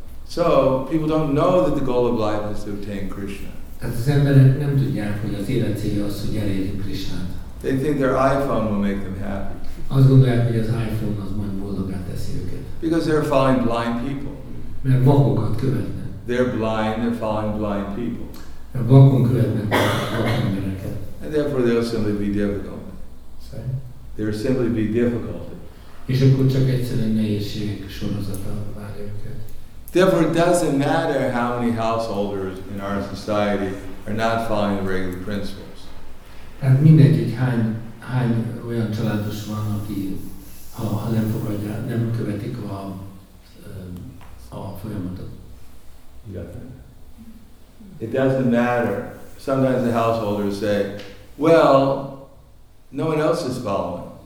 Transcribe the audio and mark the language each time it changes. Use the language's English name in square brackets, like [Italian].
[English] So, people don't know that the goal of life is to obtain Krishna. [Hungarian] Az emberek nem tudják, hogy az élet célja az, hogy elérjük Krishnát. [English] They think their iPhone will make them happy. [Hungarian] Azt gondolják, hogy az iPhone az majd boldoggá teszi őket. [English] Because they're following blind people. [Hungarian] Mert vakokat követnek. [English] They're blind, they're following blind people. [Hungarian] A vakon követnek a vak embereket. [English] And therefore they'll simply be difficult. Sorry? They'll simply be difficult. [Hungarian] És akkor csak egyszerűen nehézségek sorozata várja őket. [English] Therefore, it doesn't matter how many householders in our society are not following the regular principles. [Hungarian] Tehát mindegy, hogy hány olyan családos van, aki ha nem fogadja, nem követik a folyamatot. [English] It doesn't matter. Sometimes the householders say, well, no one else is following.